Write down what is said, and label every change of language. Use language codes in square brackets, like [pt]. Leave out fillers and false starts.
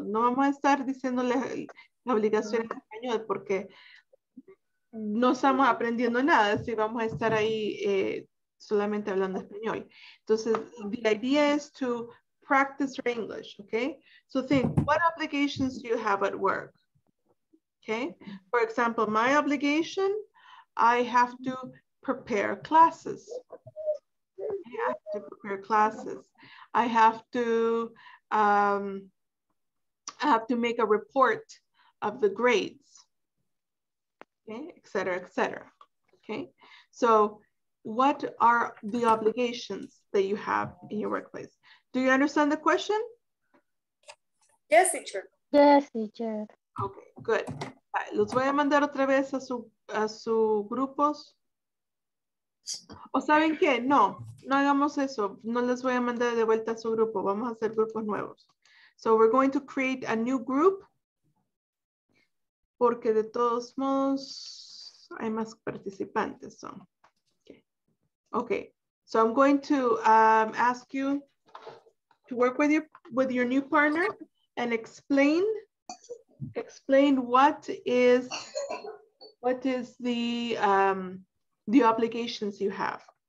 [es] No vamos a estar diciendo la obligación en español porque no estamos aprendiendo nada. Si vamos a estar ahí solamente hablando español. [en] Entonces, the idea is to practice your English, okay? So think, what obligations do you have at work? Okay, for example, my obligation, I have to prepare classes. I have to prepare classes. I have to make a report of the grades, okay, et cetera, et cetera. Okay, so what are the obligations that you have in your workplace? Do you understand the question? Yes, teacher. Yes, teacher. Okay, good. [es] Los voy a mandar otra vez a su grupos. ¿O saben qué? No, no hagamos eso. No les voy a mandar de vuelta a su grupo. Vamos a hacer grupos nuevos. [en] So we're going to create a new group. Porque de todos modos hay más participantes. So. Okay, so I'm going to ask you to work with your new partner and explain what is the obligations you have.